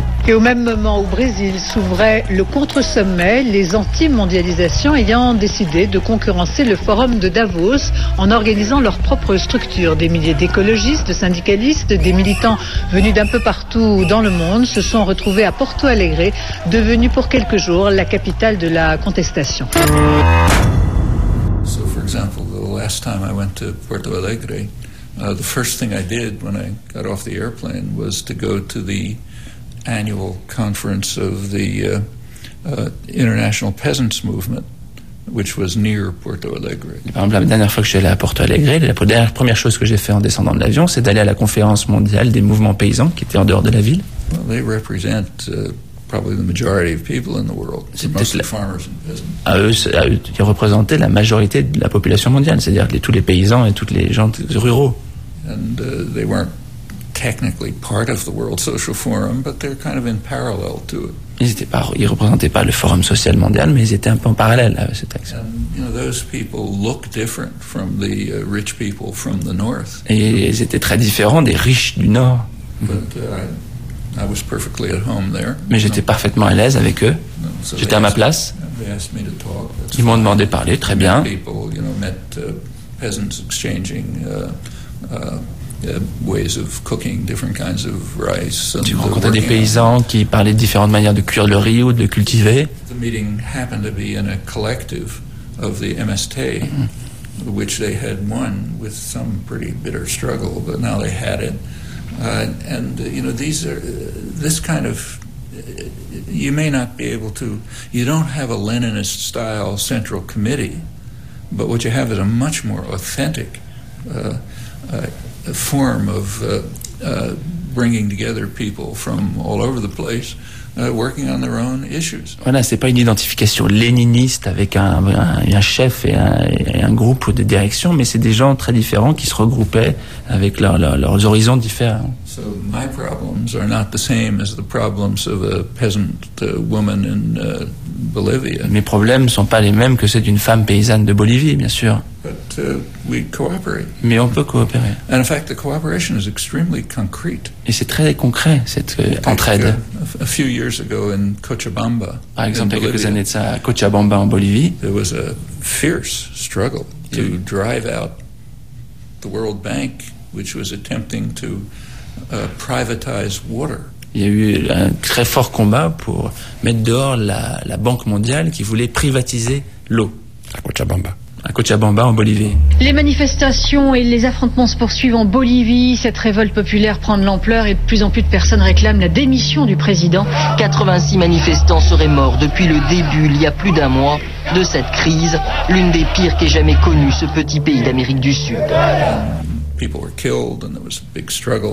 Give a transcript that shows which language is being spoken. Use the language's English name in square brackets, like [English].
[French] Et au même moment, au Brésil s'ouvrait le contre-sommet, les anti-mondialisations ayant décidé de concurrencer le forum de Davos en organisant leur propre structure. Des milliers d'écologistes, de syndicalistes, des militants venus d'un peu partout dans le monde se sont retrouvés à Porto Alegre, devenue pour quelques jours la capitale de la contestation. [English] So for example, the last time I went to Porto Alegre, the first thing I did when I got off the airplane was to go to the annual conference of the International Peasants Movement, which was near Porto Alegre. [French] Par exemple, la dernière fois que je suis allé à Porto Alegre, la première chose que j'ai fait en descendant de l'avion, c'est d'aller à la conférence mondiale des mouvements paysans qui était en dehors de la ville. [English] Well, they represent probably the majority of people in the world. Farmers and peasants. [French] Ils représentaient la majorité de la population mondiale, c'est-à-dire tous les paysans et toutes les gens ruraux. [English] And they weren't technically part of the World Social Forum, but they're kind of in parallel to it. [French] Ils représentaient pas le Forum social mondial, mais ils étaient un peu en parallèle à ce texte. [English] And, you know, those people look different from the rich people from the north. [French] Et ils étaient très différents des riches du nord. [English] But I was perfectly at home there. [French] Mais j'étais parfaitement à l'aise avec eux. [English] So [French] j'étais à ma place. [English] They asked me to talk. [French] Ils m'ont demandé de parler, très bien. [English] People, you know, met peasants exchanging ways of cooking different kinds of rice. [French] Tu rencontrais des paysans qui parlaient de différentes manières de cuire le riz ou de le cultiver. [English] The meeting happened to be in a collective of the MST, which they had won with some pretty bitter struggle, but now they had it. You may not be able to. You don't have a Leninist-style central committee, but what you have is a much more authentic form of bringing together people from all over the place. Working on their own issues. [French] Voilà, c'est pas une identification léniniste avec un chef et un groupe de direction, mais c'est des gens très différents qui se regroupaient avec leurs horizons différents. [English] So my problems are not the same as the problems of a peasant woman in Bolivia. [French] Mes problèmes sont pas les mêmes que ceux d'une femme paysanne de Bolivie, bien sûr. [English] But we cooperate. [French] Mais on peut coopérer. [English] And in fact, the cooperation is extremely concrete. [French] Et c'est très concret, cette entraide. [English] A few years ago in Cochabamba, [French] par exemple, quelques années de ça, à Cochabamba, en Bolivie, [English] there was a fierce struggle to drive out the World Bank, which was attempting to privatize water. [French] Il y a eu un très fort combat pour mettre dehors la Banque mondiale qui voulait privatiser l'eau. À Cochabamba, en Bolivie. Les manifestations et les affrontements se poursuivent en Bolivie. Cette révolte populaire prend de l'ampleur et de plus en plus de personnes réclament la démission du président. 86 manifestants seraient morts depuis le début, il y a plus d'un mois, de cette crise. L'une des pires qu'ait jamais connue ce petit pays d'Amérique du Sud. [English] People were killed and there was a big struggle.